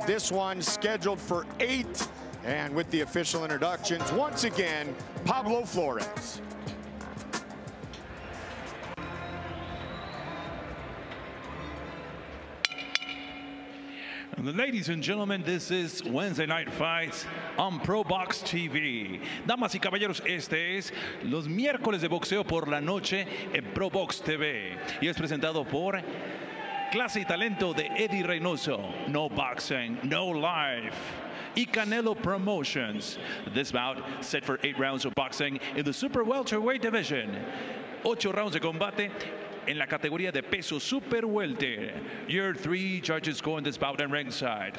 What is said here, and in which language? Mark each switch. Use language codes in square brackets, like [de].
[en] This one scheduled for 8. And with the official introductions, once again, Pablo Flores. Ladies and gentlemen, this is Wednesday Night Fights on ProBox TV. [es] Damas y caballeros, este es los miércoles de boxeo por la noche en ProBox TV. Y es presentado por clase y talento de Eddie Reynoso. No boxing, no life. Y Canelo Promotions. [en] This bout set for 8 rounds of boxing in the super welterweight division. [es] 8 rounds de combate en la categoría de peso super welter. [en] Your 3 judges go in this bout and ringside.